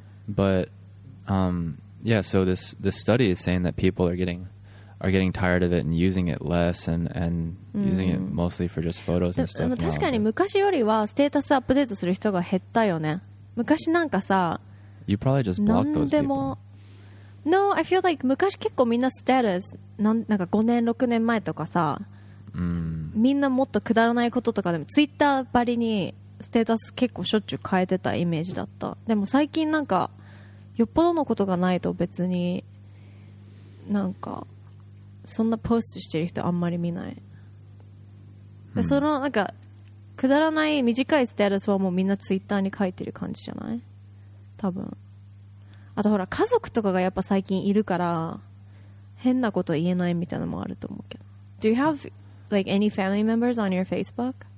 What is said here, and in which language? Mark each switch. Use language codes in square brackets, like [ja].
[en] But, yeah, so this study is saying that people are getting tired of it and using it less and using it mostly for just photos and stuff. [ja] 確かに昔よりはステータスアップデートする人が減ったよね。昔なんかさ、 [en] You probably just blocked those people. No, I feel like [ja] 昔結構みんなステータス、なんか5年、6年前とかさ、みんなもっとくだらないこととかでも、ツイッターばりにステータス結構しょっちゅう変えてたイメージだった。でも最近なんか、よっぽどのことがないと別に、なんか、そんなポストしてる人あんまり見ない、hmm. そのなんかくだらない短いステータスはもうみんなツイッターに書いてる感じじゃない、多分。あとほら家族とかがやっぱ最近いるから変なこと言えないみたいなのもあると思うけど。 [en] Do you have like any family members on your Facebook?